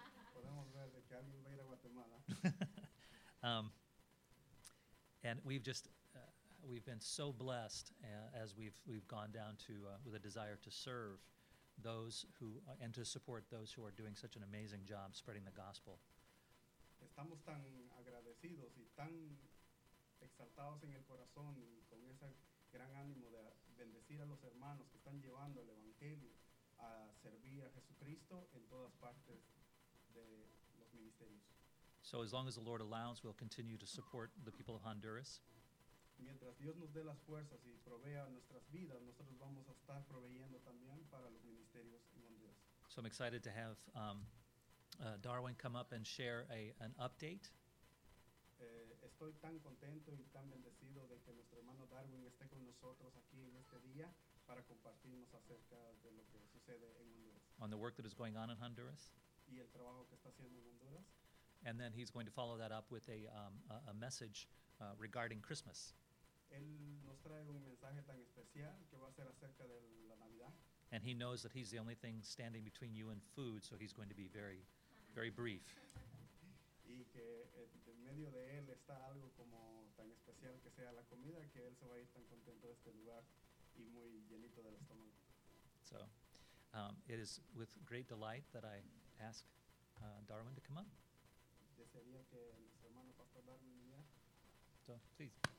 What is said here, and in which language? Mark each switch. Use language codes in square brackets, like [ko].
[es] Podemos ver de que alguien va a ir a Guatemala. [en] And we've been so blessed as we've gone down to with a desire to serve those who and to support those who are doing such an amazing job spreading the gospel. [es] Estamos tan agradecidos y tan exaltados en el corazón y con ese gran ánimo de bendecir a los hermanos que están llevando el evangelio a servir a Jesucristo en todas partes de los ministerios. [en] So as long as the Lord allows, we'll continue to support the people of Honduras. [es] Mientras Dios nos dé las fuerzas y provea nuestras vidas, nosotros vamos a estar proveyendo también para los ministerios en Honduras. [en] So I'm excited to have Darwin come up and share an update. [es] Estoy tan contento y tan bendecido de que nuestro hermano Darwin esté con nosotros aquí en este día para compartirnos acerca de lo que sucede en Honduras. [en] On the work that is going on in Honduras. [es] Y el trabajo que está haciendo en Honduras. [en] And then he's going to follow that up with a message regarding Christmas. [es] Él nos trae un mensaje tan especial que va a ser acerca de la Navidad. [en] And he knows that he's the only thing standing between you and food, so he's going to be very, very brief. [es] Y que en medio de él está algo como tan especial que sea la comida, que él se va a ir tan contento de este lugar y muy llenito del estómago. [en] So, it is with great delight that I ask Darwin to come up. [es] Desearía que nuestro hermano Pastor Darwin viniera. [en] So, please.